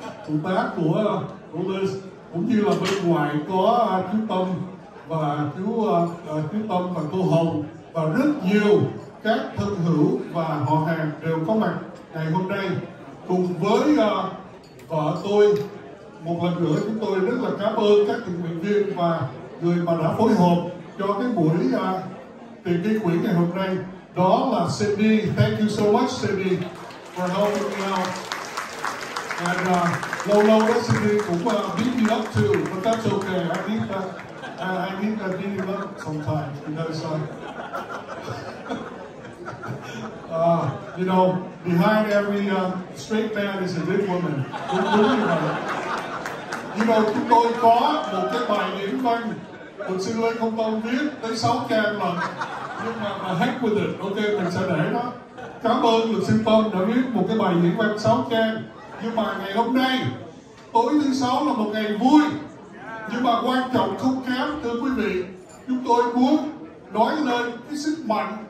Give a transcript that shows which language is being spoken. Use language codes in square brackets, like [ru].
[vi] Phụ tá của Liz, cũng như là bên ngoài có chú Tâm và chú Tâm và cô Hồng và rất nhiều các thân hữu và họ hàng đều có mặt ngày hôm nay cùng với vợ tôi. Một lần nữa chúng tôi rất là cảm ơn các tình nguyện viên và người mà đã phối hợp cho cái buổi tiền ký quỹ ngày hôm nay. Đó là Cindy. [en] Thank you so much, Cindy, for helping me out. And [vi] lâu lâu đó [en] Cindy [vi] cũng [en] beat me up too, but that's okay. I need to beat him up sometimes, because you know, behind every straight man is a big woman. Don't worry about it. [vi] Nhưng mà chúng tôi có một cái bài diễn văn mình xin lên không tâm viết tới 6 trang lần, nhưng mà [en] I hate with it, ok, [vi] mình sẽ để đó. Cảm ơn luật sư Tâm đã viết một cái bài diễn văn 6 trang. Nhưng mà ngày hôm nay, tối thứ 6 là một ngày vui, nhưng mà quan trọng không kém, thưa quý vị. Chúng tôi muốn nói lên cái sức mạnh